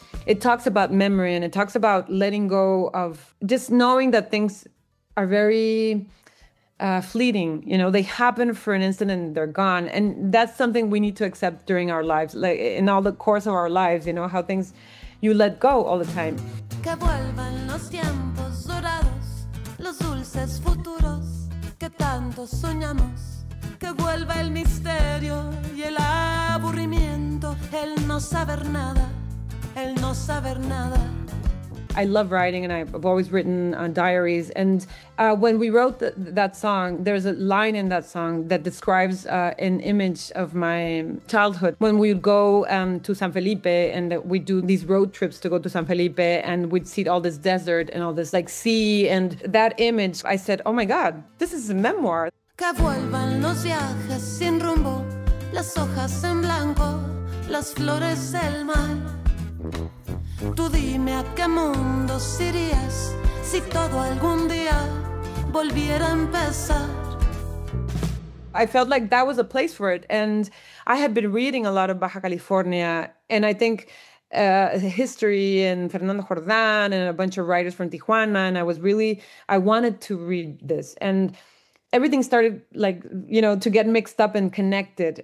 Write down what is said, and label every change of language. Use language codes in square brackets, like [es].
[en] It talks about memory and it talks about letting go of just knowing that things are very fleeting. You know, they happen for an instant and they're gone. And that's something we need to accept during our lives, like in all the course of our lives, you know, how things you let go all the time. [es] Que vuelvan los tiempos dorados, los dulces futuros que tanto soñamos. Que vuelva el misterio y el aburrimiento, el no saber nada. [en] I love writing and I've always written diaries. And when we wrote that song, there's a line in that song that describes an image of my childhood. When we would go to San Felipe and we'd do these road trips to go to San Felipe and we'd see all this desert and all this like sea. And that image, I said, oh my God, this is a memoir. [es] Que vuelvan los viajes sin rumbo, las hojas en blanco, las flores del mar. Tú dime a qué mundo irías si todo algún día volviera a empezar. [en] I felt like that was a place for it, and I had been reading a lot of Baja California, and I think history and Fernando Jordán and a bunch of writers from Tijuana, and I wanted to read this, and everything started like, you know, to get mixed up and connected.